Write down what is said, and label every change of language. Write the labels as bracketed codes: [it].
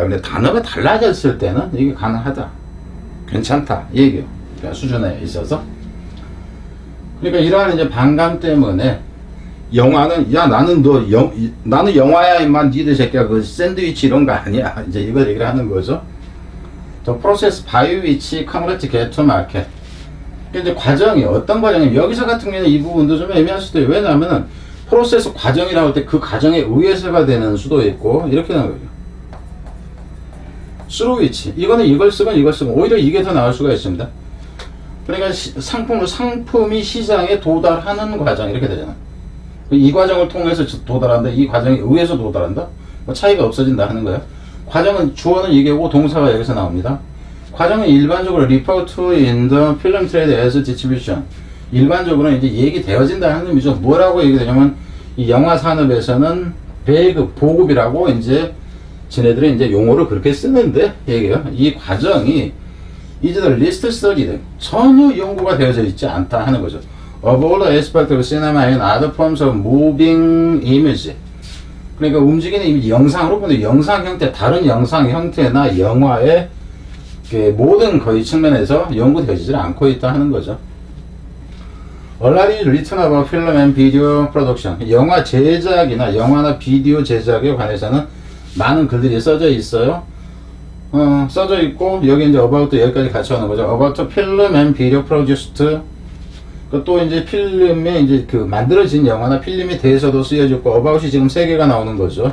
[ko] 근데 단어가 달라졌을 때는 이게 가능하다. 괜찮다. 이 얘기요. 그러니까 수준에 있어서. 그러니까 이러한 이제 반감 때문에 영화는, 야, 나는 영화야, 임마. 니들 새끼야. 그 샌드위치 이런 거 아니야. 이제 이걸 얘기를 하는 거죠. [en] The process by which commodity get to market. [ko] 이제 과정이 어떤 과정이냐면 여기서 같은 경우에는 이 부분도 좀 애매할 수도 있어요. 왜냐하면은 프로세스 과정이라고 할 때 그 과정에 의해서가 되는 수도 있고 이렇게 나오는 거예요. [en] Through which [ko] 이거는 이걸 쓰면 오히려 이게 더 나을 수가 있습니다. 그러니까 상품이 시장에 도달하는 과정 이렇게 되잖아. 이 과정을 통해서 도달한다. 이 과정에 의해서 도달한다. 뭐 차이가 없어진다 하는 거예요. 과정은 주어는 이게고 동사가 여기서 나옵니다. 과정은 일반적으로 [en] refer to in the film trade as distribution. [ko] 일반적으로 이제 얘기 되어진다 하는 의미죠. 뭐라고 얘기되냐면 이 영화 산업에서는 배급, 보급이라고 이제 지네들은 이제 용어를 그렇게 쓰는데 얘기예요. 이 과정이 이제 [en] list study [ko] 전혀 연구가 되어져 있지 않다 하는 거죠. [en] Of all the aspects of cinema and other forms of moving image. [ko] 그러니까 움직이는 이미지 영상으로 보는 영상 형태, 다른 영상 형태나 영화의 모든 거의 측면에서 연구되지 않고 있다 하는 거죠. [en] A lot is written about film and video production. [ko] 영화 제작이나 영화나 비디오 제작에 관해서는 많은 글들이 써져 있어요. 써져 있고 여기 이제 about도 여기까지 같이 하는 거죠. [en] About the film and video produced. [ko] 또 이제 필름에 이제 그 만들어진 영화나 필름에 대해서도 쓰여졌고 about이 지금 세 개가 나오는 거죠.